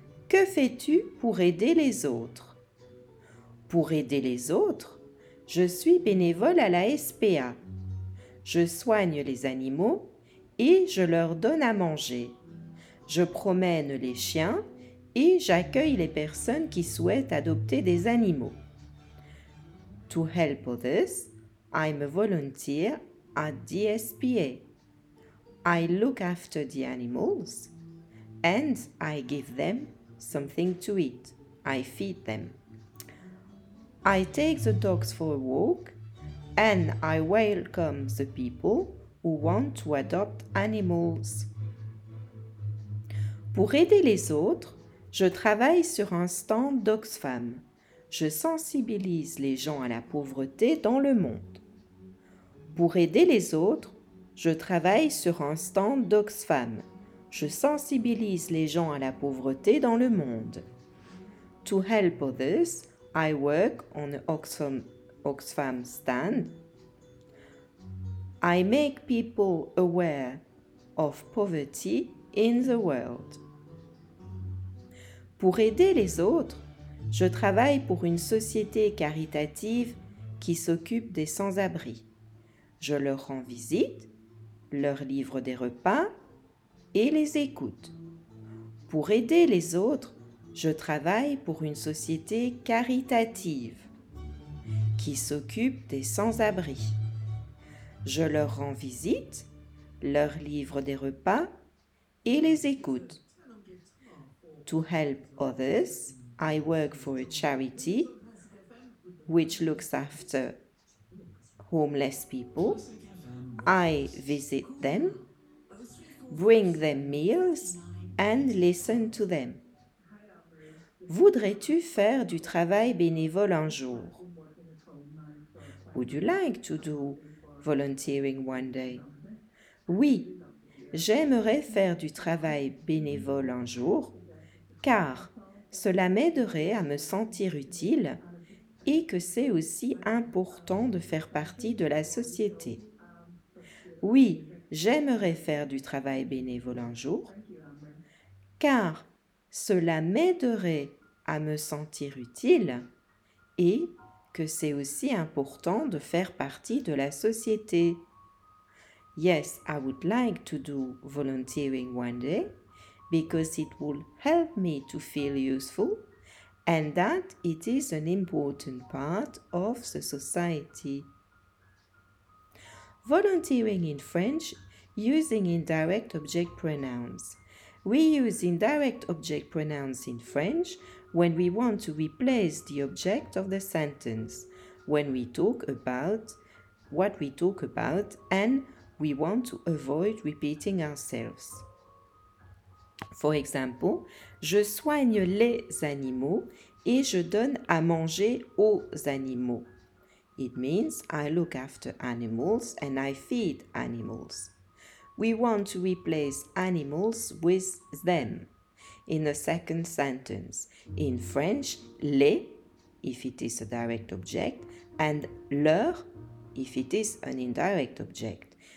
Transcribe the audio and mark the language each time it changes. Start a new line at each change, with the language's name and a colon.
French: Que fais-tu pour aider les autres? Pour aider les autres, je suis bénévole à la SPA. Je soigne les animaux et je leur donne à manger. Je promène les chiens et j'accueille les personnes qui souhaitent adopter des animaux.
English: To help others, I'm a volunteer at the SPA. I look after the animals and I give them something to eat. I feed them. I take the dogs for a walk and I welcome the people who want to adopt animals.
French: Pour aider les autres, je travaille sur un stand d'Oxfam. Je sensibilise les gens à la pauvreté dans le monde. Pour aider les autres, je travaille sur un stand d'Oxfam. Je sensibilise les gens à la pauvreté dans le monde.
English: To help others, I work on an Oxfam stand. I make people aware of poverty in the world.
French: Pour aider les autres, je travaille pour une société caritative qui s'occupe des sans-abri. Je leur rends visite, leur livre des repas, et les écoute. Pour aider les autres, je travaille pour une société caritative qui s'occupe des sans-abri. Je leur rends visite, leur livre des repas et les écoute.
English: To help others, I work for a charity which looks after homeless people. I visit them. Bring them meals and listen to them.
French: Voudrais-tu faire du travail bénévole un jour?
English: Would you like to do volunteering one day?
French: Oui, j'aimerais faire du travail bénévole un jour, car cela m'aiderait à me sentir utile et que c'est aussi important de faire partie de la société. Oui, j'aimerais faire du travail bénévole un jour, car cela m'aiderait à me sentir utile et que c'est aussi important de faire partie de la société.
English: Yes, I would like to do volunteering one day because it will help me to feel useful and that it is an important part of the society. Volunteering in French, using indirect object pronouns. We use indirect object pronouns in French when we want to replace the object of the sentence, when we talk about what we talk about and we want to avoid repeating ourselves. For example,
French: je soigne les animaux et je donne à manger aux animaux.
English: It means I look after animals and I feed animals. We want to replace animals with them. In the second sentence, in French, les, if it is a direct object, and leur, if it is an indirect object.